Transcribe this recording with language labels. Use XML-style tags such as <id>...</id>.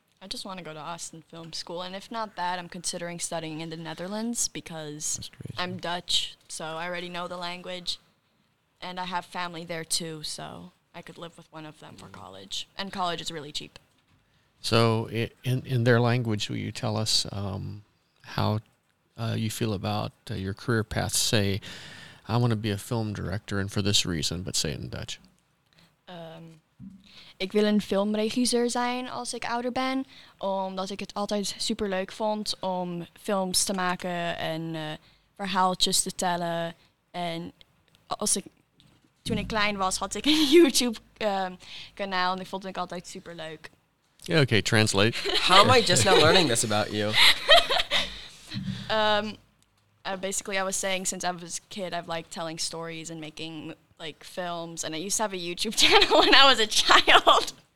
<en>I just want to go to Austin Film School, and if not that, I'm considering studying in the Netherlands because I'm Dutch, so I already know the language, and I have family there too, so I could live with one of them for college, and college is really cheap. So in their language, will you tell us how you feel about your career path? Say, I want to be a film director, and for this reason, but say it in Dutch.</en> <nl>Ik wil een filmregisseur zijn als ik ouder ben, omdat ik het altijd super leuk vond om films te maken en verhaaltjes te tellen. En toen ik klein was, had ik een YouTube-kanaal en die vond ik altijd super leuk.</nl> <en>Yeah, okay, translate. How am I just now learning this about you? Basically, I was saying since I was a kid, I've liked telling stories and making like films, and I used to have a YouTube channel when I was a child.</en>